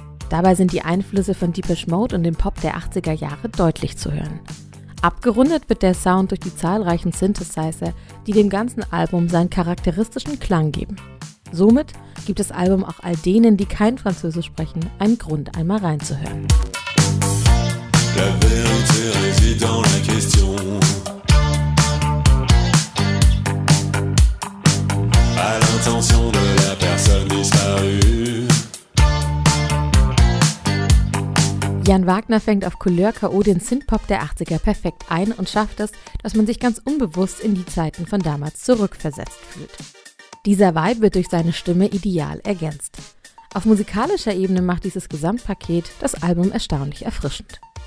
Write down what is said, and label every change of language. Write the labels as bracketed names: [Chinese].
[German] Dabei sind die Einflüsse von Depeche Mode und dem Pop der 80er Jahre deutlich zu hören. Abgerundet wird der Sound durch die zahlreichen Synthesizer, die dem ganzen Album seinen charakteristischen Klang geben. Somit gibt das Album auch all denen, die kein Französisch sprechen, einen Grund, einmal reinzuhören. [French] La vérité réside dans la question. Attention de la personne disparue. [German] Jan Wagner fängt auf Couleur K.O. den Synthpop der 80er perfekt ein und schafft es, dass man sich ganz unbewusst in die Zeiten von damals zurückversetzt fühlt. Dieser Vibe wird durch seine Stimme ideal ergänzt. Auf musikalischer Ebene macht dieses Gesamtpaket das Album erstaunlich erfrischend.